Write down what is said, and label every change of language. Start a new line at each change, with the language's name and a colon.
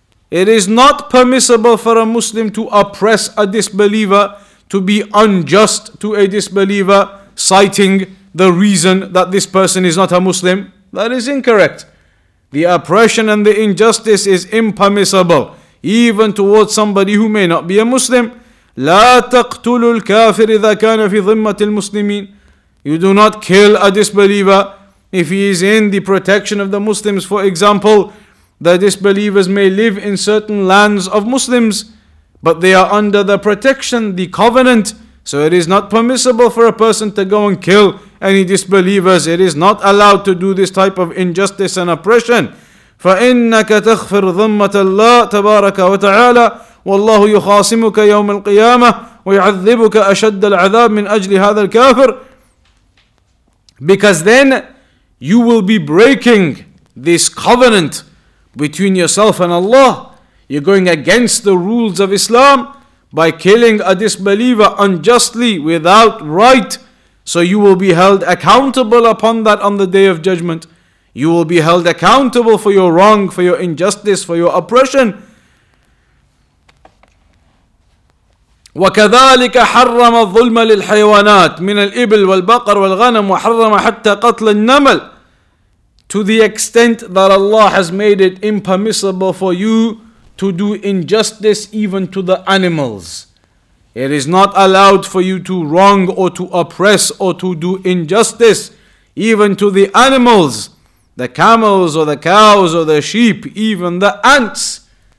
English: It is not permissible for a Muslim to oppress a disbeliever, to be unjust to a disbeliever, citing the reason that this person is not a Muslim. That is incorrect. The oppression and the injustice is impermissible, even towards somebody who may not be a Muslim.
Arabic: لا تقتل الكافر إذا كان في ذمة المسلمين.
English: You do not kill a disbeliever if he is in the protection of the Muslims. For example, the disbelievers may live in certain lands of Muslims, but they are under the protection, the covenant. So it is not permissible for a person to go and kill any disbelievers. It is not allowed to do this type of injustice and oppression.
Arabic: فَإِنَّكَ تَخْفِرْ ذُمَّةَ اللَّهِ تَبَارَكَ وَتَعَالَى وَاللَّهُ يُخَاصِمُكَ يَوْمَ الْقِيَامَةِ وَيُعَذِّبُكَ أَشَدَّ الْعَذَابِ مِنْ أَجْلِ هَذَا الْكَافِرِ.
English: Because then you will be breaking this covenant between yourself and Allah. You're going against the rules of Islam by killing a disbeliever unjustly without right. So you will be held accountable upon that on the Day of Judgment. You will be held accountable for your wrong, for your injustice, for your oppression.
Arabic: وكذلك حرم الظلم للحيوانات من الإبل والبقر والغنم وحرم حتى قتل النمل.
English: To the extent that Allah has made it impermissible for you to do injustice even to the animals. It is not allowed for you to wrong or to oppress or to do injustice even to the animals, the camels or the cows or the sheep, even the ants.